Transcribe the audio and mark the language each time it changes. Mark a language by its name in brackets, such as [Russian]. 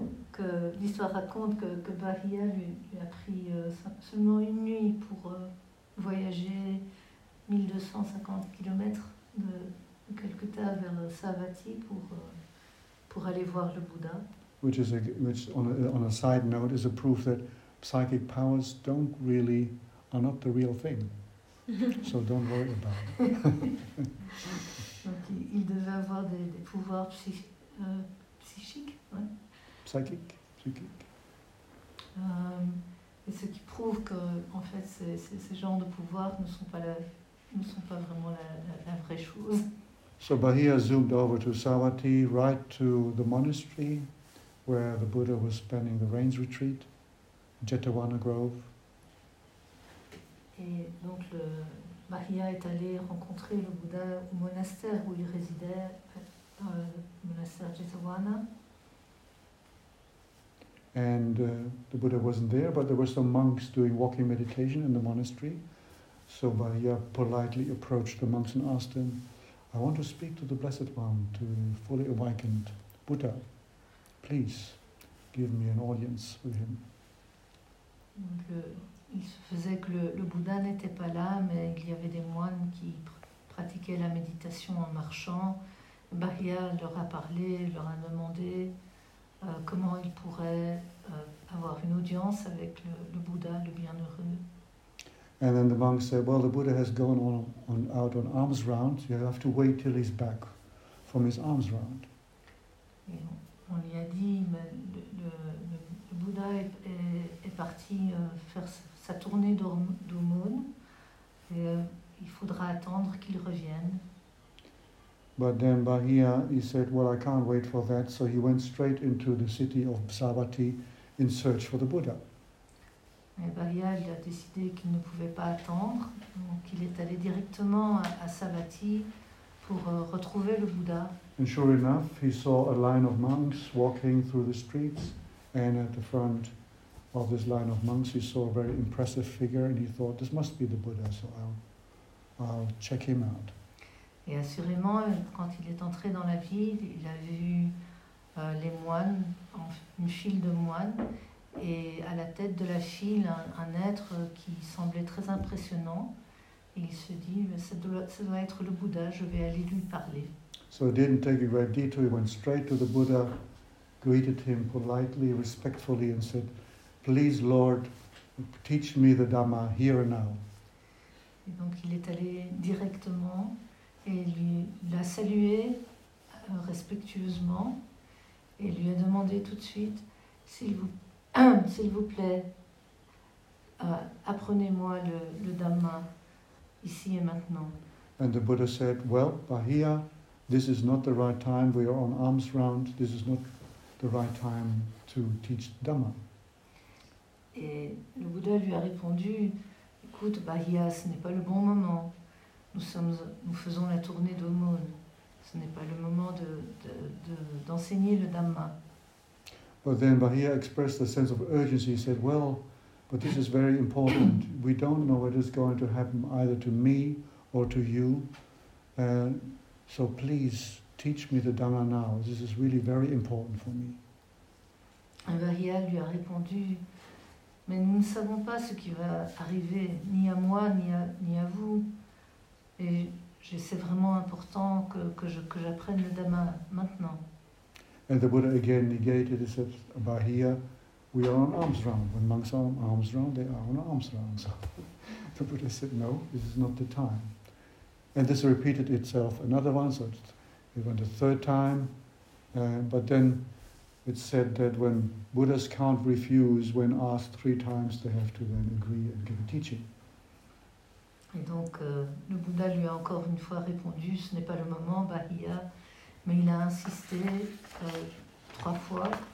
[French] Que l'histoire raconte que Bahia lui a pris seulement une nuit pour voyager 1250 kilomètres de Calcutta vers Savatthi pour aller voir le Bouddha. [English] Which on a side note is a proof that psychic powers don't really are not the real thing, so don't worry about it. [French] Donc, il devait avoir des pouvoirs psychiques, ouais. Psychique. Et ce qui prouve que, en fait, ces genres de pouvoirs ne sont pas vraiment la vraie chose. [English] So Bahia zoomed over to Savatthi, right to the monastery where the Buddha was spending the rains retreat, Jetavana Grove. [French] Et donc Bahia est allé rencontrer le Bouddha au monastère où il résidait, le monastère Jetavana. [English] And the Buddha wasn't there, but there were some monks doing walking meditation in the monastery. So Bahia politely approached the monks and asked them, "I want to speak to the Blessed One, to the fully awakened Buddha, please give me an audience with him. [French] Donc, il se faisait que le Bouddha n'était pas là, mais il y avait des moines qui pratiquaient la méditation en marchant. Bahia leur a parlé, leur a demandé comment ils pourraient avoir une audience avec le Bouddha, le bienheureux. [English] And then the monk said, well, the Buddha has gone on out on arms round, you have to wait till he's back from his arms round. [French] Et on lui a dit, mais le Bouddha est parti faire sa tournée d'aumône, et il faudra attendre qu'il revienne. [English] But then Bahia, he said, well, I can't wait for that, so he went straight into the city of Sarvati in search for the Buddha. [French] Et Bahia a décidé qu'il ne pouvait pas attendre, donc il est allé directement à Sarvati pour retrouver le Bouddha. [English] And sure enough, he saw a line of monks walking through the streets, and at the front of this line of monks, he saw a very impressive figure, and he thought, this must be the Buddha, so I'll check him out. [French] Et assurément, quand il est entré dans la ville, il a vu les moines, une file de moines, et à la tête de la file, un être qui semblait très impressionnant. Et il se dit, ça doit être le Bouddha, je vais aller lui parler. [English] So it didn't take a great detour, he went straight to the Buddha, greeted him politely, respectfully, and said, please, Lord, teach me the Dhamma here and now. [French] Et donc il est allé directement et l'a salué respectueusement et lui a demandé tout de suite, s'il vous plaît, apprenez-moi le Dhamma ici et maintenant. [English] And the Buddha said, well, Bahia, this is not the right time, we are on arms round, this is not the right time to teach Dhamma. [French] Et le Bouddha lui a répondu, écoute Bahia, ce n'est pas le bon moment, nous faisons la tournée d'aumône, ce n'est pas le moment d'enseigner le Dhamma. [English] But then Bahia expressed a sense of urgency, he said, well, but this is very important, we don't know what is going to happen either to me or to you, so please teach me the Dhamma now. This is really very important for me. [French] Bahia lui a répondu, mais nous ne savons pas ce qui va arriver, ni à moi, ni à vous. Et c'est vraiment important que j'apprenne le Dhamma maintenant. [English] And the Buddha again negated. He said, Bahia, we are on arms round. When monks are on arms round, they are on arms round. So the Buddha said, no, this is not the time. And this repeated itself another one, so it went a third time. But then it said that when Buddhas can't refuse, when asked three times, they have to then agree and give a teaching. [French] Et donc, le Bouddha lui a encore une fois répondu, ce n'est pas le moment, Bahia. Mais il a insisté trois fois.